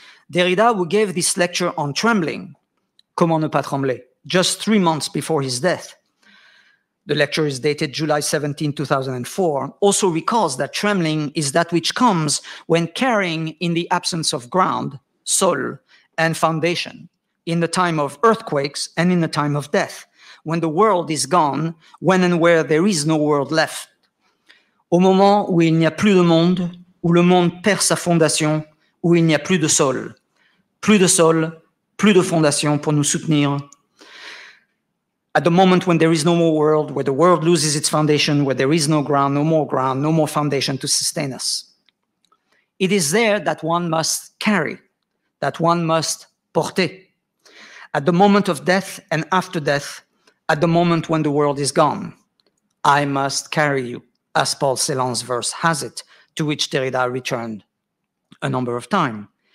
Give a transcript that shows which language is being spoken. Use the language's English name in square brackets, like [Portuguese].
[English] Derrida, who gave this lecture on trembling, Comment ne pas trembler, just 3 months before his death, the lecture is dated July 17, 2004, also recalls that trembling is that which comes when carrying in the absence of ground, sol, and foundation, in the time of earthquakes and in the time of death, when the world is gone, when and where there is no world left, [French] au moment où il n'y a plus de monde, où le monde perd sa fondation, où il n'y a plus de sol. Plus de sol, plus de fondation pour nous soutenir. [English] At the moment when there is no more world, where the world loses its foundation, where there is no ground, no more foundation to sustain us. It is there that one must carry, that one must porter. At the moment of death and after death, at the moment when the world is gone, I must carry you, as Paul Celan's verse has it, to which Derrida returned a number of times.